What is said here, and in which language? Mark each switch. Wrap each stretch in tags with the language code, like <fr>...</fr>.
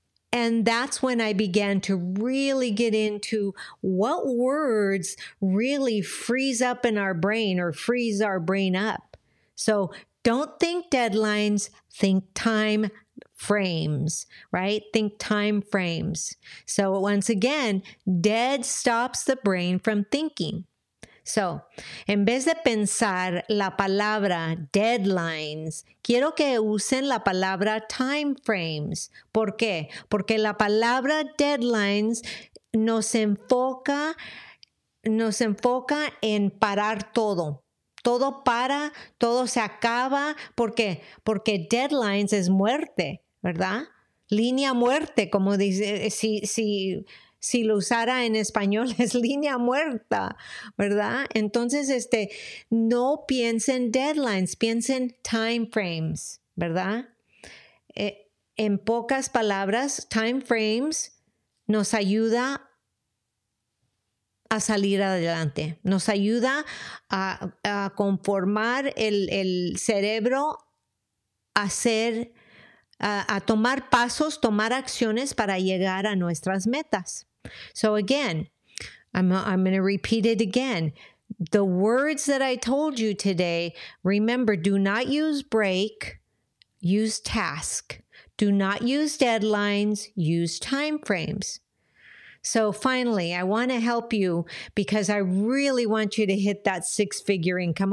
<en>And that's when I began to really get into what words really freeze up in our brain or freeze our brain up. So don't think deadlines, think time frames, right? Think time frames. So once again, dead stops the brain from thinking. So</en> <es>en vez de pensar la palabra deadlines, quiero que usen la palabra time frames. ¿Por qué? Porque la palabra deadlines nos enfoca en parar todo. Todo para, todo se acaba. ¿Por qué? Porque deadlines es muerte, ¿verdad? Línea muerte, como dice, si lo usara en español, es línea muerta, ¿verdad? Entonces, no piensen deadlines, piensen time frames, ¿verdad? En pocas palabras, time frames nos ayuda a salir adelante, nos ayuda a conformar el cerebro a tomar pasos, tomar acciones para llegar a nuestras metas.</es> <en>So again, I'm going to repeat it again. The words that I told you today, remember, do not use break, use task. Do not use deadlines, use time frames. So finally, I want to help you because I really want you to hit that six-figure income.</en>